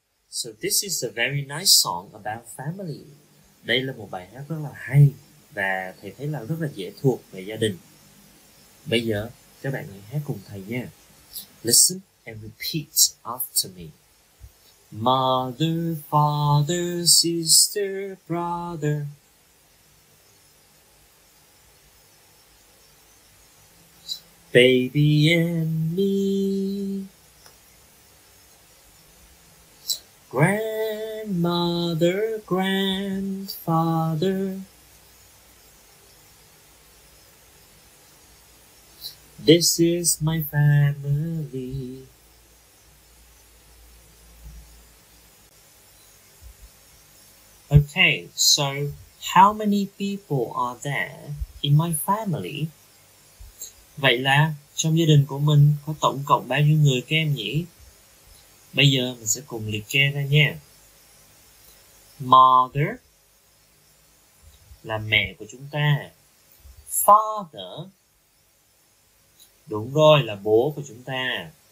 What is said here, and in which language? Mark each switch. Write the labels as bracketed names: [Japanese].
[English] So this is a very nice song about family. [Vietnamese] Đây là một bài hát rất là hay và thầy thấy là rất là dễ thuộc về gia đình. Bây giờ các bạn hãy hát cùng thầy nha. [English] Listen and repeat after me. Mother, father, sister, brother. Baby and me. Grandmother, grandfather. This is my family. Okay, so how many people are there in my family? [Vietnamese] Vậy là trong gia đình của mình có tổng cộng bao nhiêu người các em nhỉ? Bây giờ mình sẽ cùng liệt kê ra nha. Mother là mẹ của chúng ta. Father, đúng rồi, là bố của chúng ta.